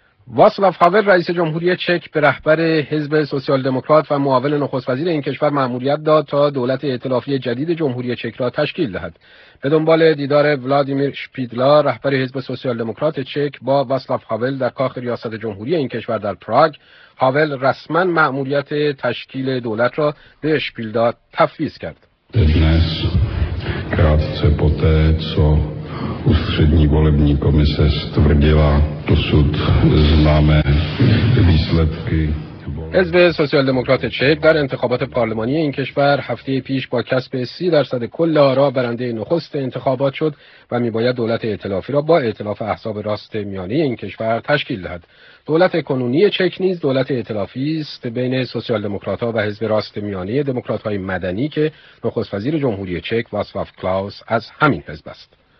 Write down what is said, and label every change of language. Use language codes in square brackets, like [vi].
[fa] واسلاف هاور رئیس جمهوری چک به رهبر حزب سوسیال دموکرات و معاون نخست وزیر این کشور مأموریت داد تا دولت ائتلافی جدید جمهوری چک را تشکیل دهد. به دنبال دیدار ولادیمیر شپیدلا رهبر حزب سوسیال دموکرات چک با واسلاف هاور در کاخ ریاست جمهوری این کشور در پراگ، هاور رسما مأموریت تشکیل دولت را به شپیدلا تفویض کرد. [cs] Dnes krátce poté, co ústřední volební komise stvrdila dosud známé výsledky. [fa] حزب سوسیال دموکرات چک در انتخابات پارلمانی این کشور هفته پیش با کسب 30% کل آرا برنده نخست انتخابات شد و میباید دولت ائتلافی را با ائتلاف احزاب راست میانه این کشور تشکیل دهد. دولت کنونی چک نیز دولت ائتلافی است بین سوسیال دموکرات ها و حزب راست میانه دموکرات های مدنی که نخست وزیر جمهوری چک واسلاف کلاوس از همین حزب است.